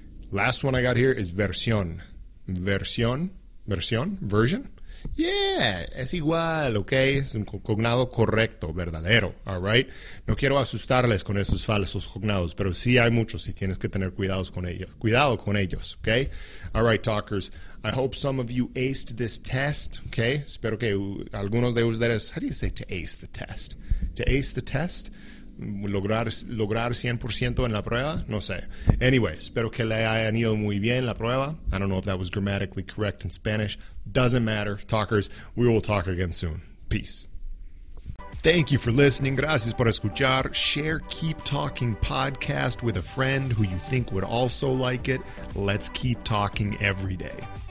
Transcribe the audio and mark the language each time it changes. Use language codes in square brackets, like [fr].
[en] Last one I got here is versión. Versión. Versión. Version. [es] Yeah, es igual, ok. Es un cognado correcto, verdadero. [en] All right. [es] No quiero asustarles con esos falsos cognados, pero sí hay muchos y tienes que tener cuidados con ellos. Cuidado con ellos, ok. [en] All right, talkers. I hope some of you aced this test, ok. [es] Espero que algunos de ustedes. [en] How do you say to ace the test? To ace the test? [es] Lograr 100% en la prueba? No sé. [en] Anyway, [es] espero que le hayan ido muy bien la prueba. [en] I don't know if that was grammatically correct in Spanish. Doesn't matter. Talkers, we will talk again soon. Peace. Thank you for listening. [es] Gracias por escuchar. [en] Share Keep Talking podcast with a friend who you think would also like it. Let's keep talking every day.